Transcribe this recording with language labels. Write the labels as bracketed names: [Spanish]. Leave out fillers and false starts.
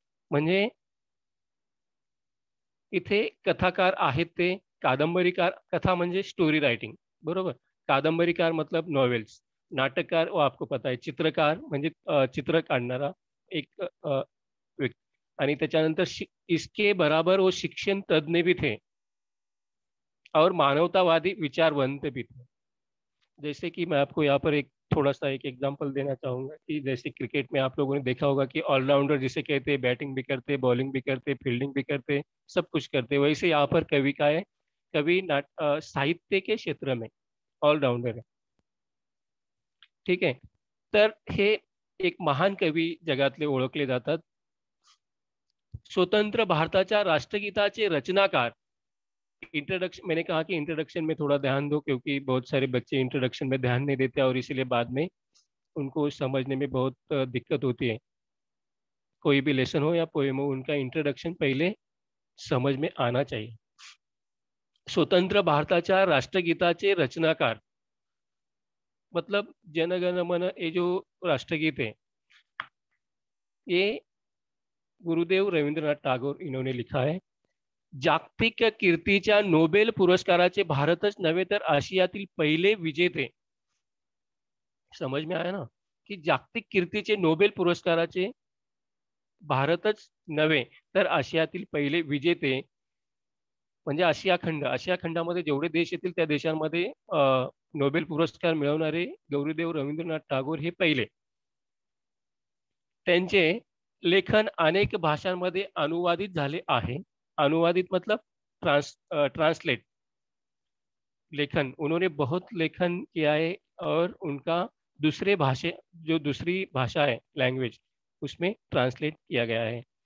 [Marathi] म्हणजे इथे कथाकार आहेत ते कादंबरीकार, कथा म्हणजे स्टोरी रायटिंग बरोबर, कादंबरीकार मतलब नॉवेल्स, नाटककार [Hindi] वो आपको पता है, [Marathi] चित्रकार म्हणजे चित्र काढणारा एक व्यक्ती, आणि त्याच्यानंतर [Hindi] इसके बराबर वो शिक्षण तज्ञ भी थे [Marathi] और मानवतावादी विचारवंत भी थे। [Hindi] जैसे कि मैं आपको यहाँ पर एक थोड़ा सा एक एग्जांपल देना चाहूँगा कि जैसे क्रिकेट में आप लोगों ने देखा होगा कि ऑलराउंडर जिसे कहते हैं, बैटिंग भी करते, बॉलिंग भी करते, फील्डिंग भी करते, सब कुछ करते, वैसे यहाँ पर कवि का है, कवि साहित्य के क्षेत्र में ऑलराउंडर है, ठीक है। [Marathi] तर हे एक महान कवी जगातले ओळखले जातात। स्वतंत्र भारताच्या राष्ट्रगीताचे रचनाकार, [Hindi] इंट्रोडक्शन मैंने कहा कि इंट्रोडक्शन में थोड़ा ध्यान दो क्योंकि बहुत सारे बच्चे इंट्रोडक्शन में ध्यान नहीं देते और इसीलिए बाद में उनको समझने में बहुत दिक्कत होती है, कोई भी लेसन हो या पोएम हो उनका इंट्रोडक्शन पहले समझ में आना चाहिए। [Marathi] स्वतंत्र भारताच्या राष्ट्रगीताचे रचनाकार [Hindi] मतलब जनगण मन, ये जो राष्ट्रगीत है ये गुरुदेव रवींद्रनाथ टागोर इन्होंने लिखा है। [Marathi] जागतिक कीर्तीच्या नोबेल पुरस्काराचे भारतच नव्हे तर आशियातील पहिले विजेते, समझ में आया ना कि जागतिक कीर्तीचे नोबेल पुरस्काराचे भारतच नव्हे तर आशियातील पहिले विजेते, म्हणजे आशिया खंड, आशिया खंडामध्ये जेवढे देश येतील त्या देशांमध्ये नोबेल पुरस्कार मिळवणारे गौरीदेव रवींद्रनाथ टागोर हे पहिले। त्यांचे लेखन अनेक भाषांमध्ये अनुवादित झाले आहे, [Hindi] अनुवादित मतलब ट्रांसलेट, लेखन उन्होंने बहुत लेखन किया है और उनका दूसरे भाषा जो दूसरी भाषा है लैंग्वेज उसमें ट्रांसलेट किया गया है।